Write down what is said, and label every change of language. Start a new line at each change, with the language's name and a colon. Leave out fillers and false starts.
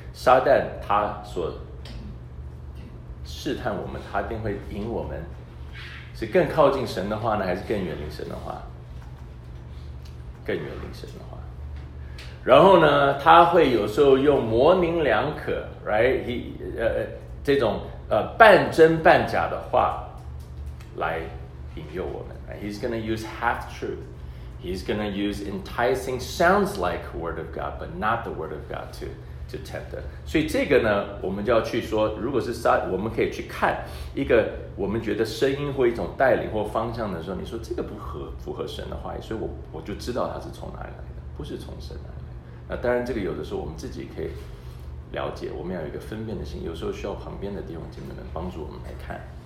Chinese: 撒旦他所试探我们，他一定会引我们是更靠近神的话呢，还是更远离神的话？更远离神的话。然后呢，他会有时候用模棱两可 right? 这种半真半假的话来引诱我们。
English: He's going to use half-truth. He's going to use enticing sounds like word of God, but not the word of God to tempt us.
Chinese: 所以这个呢，我们就要去说，如果是撒，我们可以去看一个我们觉得声音或一种带领或方向的时候，你说这个不合符合神的话语，所以我就知道它是从哪里来的，不是从神来的。那当然这个有的时候我们自己可以了解，我们要有一个分辨的心，有时候需要旁边的弟兄姐妹们帮助我们来看。